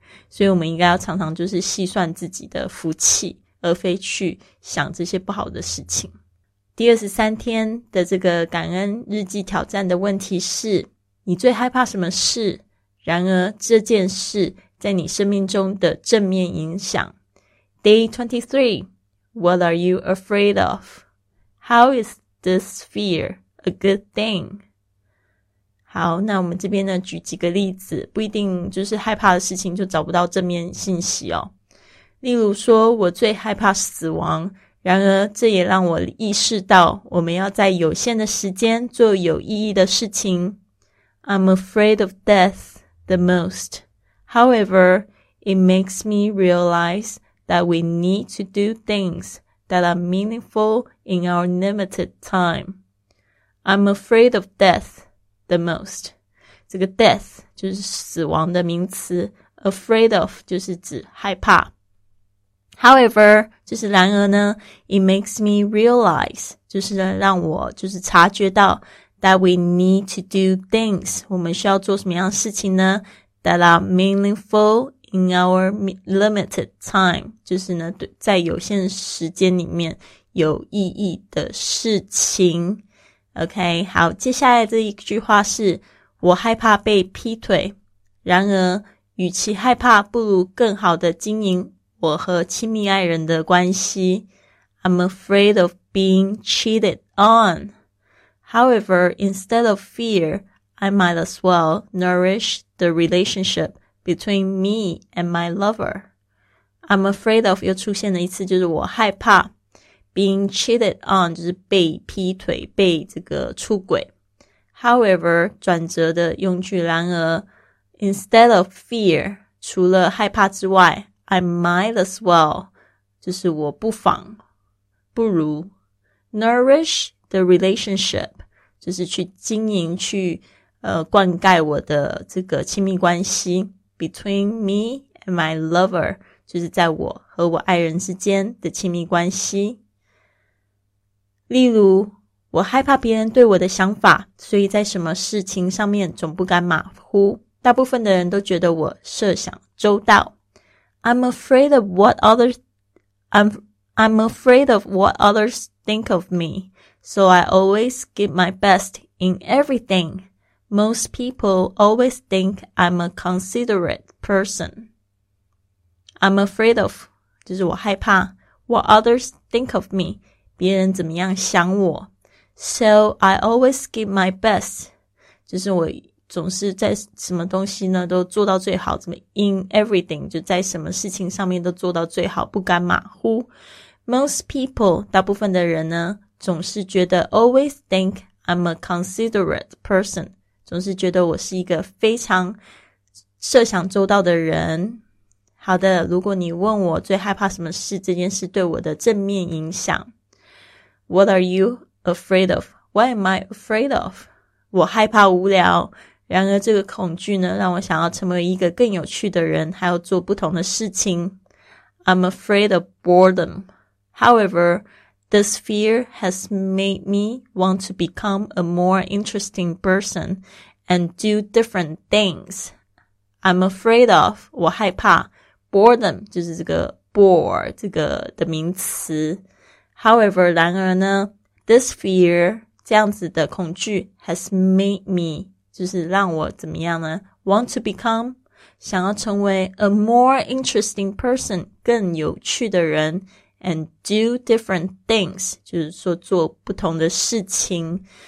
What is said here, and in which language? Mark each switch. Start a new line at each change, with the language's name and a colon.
Chinese: 所以我们应该要常常就是细算自己的福气，而非去想这些不好的事情。第23天的这个感恩日记挑战的问题是，你最害怕什么事？然而这件事在你生命中的正面影响。
English: Day 23, What are you afraid of? How is this fear a good thing?
Chinese: 好，那我们这边呢举几个例子，不一定就是害怕的事情就找不到正面信息哦。例如说，我最害怕死亡，然而这也让我意识到我们要在有限的时间做有意义的事情。
English: I'm afraid of death the most. However, it makes me realize that we need to do things that are meaningful in our limited time. I'm afraid of death the most.
Chinese: 这个 death 就是死亡的名词，
English: afraid of
Chinese: 就是指害怕。
English: However,
Chinese: 就是然而呢，
English: it makes me realize,
Chinese: 就是让我就是察觉到
English: that we need to do things,
Chinese: 我们需要做什么样的事情呢？
English: that are meaningful in our limited time,
Chinese: 就是呢在有限时间里面有意义的事情。 OK, 好，接下来这一句话是，我害怕被劈腿，然而与其害怕，不如更好的经营我和亲密爱人的关系。
English: I'm afraid of being cheated on. However, instead of fear, I might as well nourish the relationship between me and my lover. I'm afraid of
Chinese: 又出现了一次，就是我害怕
English: being cheated on,
Chinese: 就是被劈腿，被这个出轨。
English: However,
Chinese: 转折的用句，然而
English: instead of fear,
Chinese: 除了害怕之外，
English: I might as well,
Chinese: 就是我不妨，不如
English: nourish the relationship,
Chinese: 就是去经营，去灌溉我的这个亲密关系
English: between me and my lover,
Chinese: 就是在我和我爱人之间的亲密关系。例如，我害怕别人对我的想法，所以在什么事情上面总不敢马虎。大部分的人都觉得我设想周到。
English: I'm afraid of what others think of me, so I always give my best in everything. Most people always think I'm a considerate person. I'm afraid of,
Chinese: 就是我害怕
English: what others think of me,
Chinese: 别人怎么样想我。
English: So I always give my best,
Chinese: 就是我总是在什么东西呢都做到最好，怎么
English: in everything,
Chinese: 就在什么事情上面都做到最好，不敢马虎。
English: Most people,
Chinese: 大部分的人呢总是觉得
English: always think I'm a considerate person,
Chinese: 总是觉得我是一个非常设想周到的人。好的，如果你问我最害怕什么事，这件事对我的正面影响。
English: What are you afraid of? What am I afraid of?
Chinese: 我害怕无聊，然而这个恐惧呢，让我想要成为一个更有趣的人，还要做不同的事情。
English: I'm afraid of boredom. However, this fear has made me want to become a more interesting person and do different things. I'm afraid of,
Chinese: 我害怕。
English: Boredom
Chinese: 就是这个 bore 这个的名词。
English: However,
Chinese: 然而呢
English: this fear
Chinese: 这样子的恐惧
English: has made me
Chinese: 就是让我怎么样呢
English: want to become
Chinese: 想要成为
English: a more interesting person
Chinese: 更有趣的人
English: and do different things
Chinese: 就是说做不同的事情。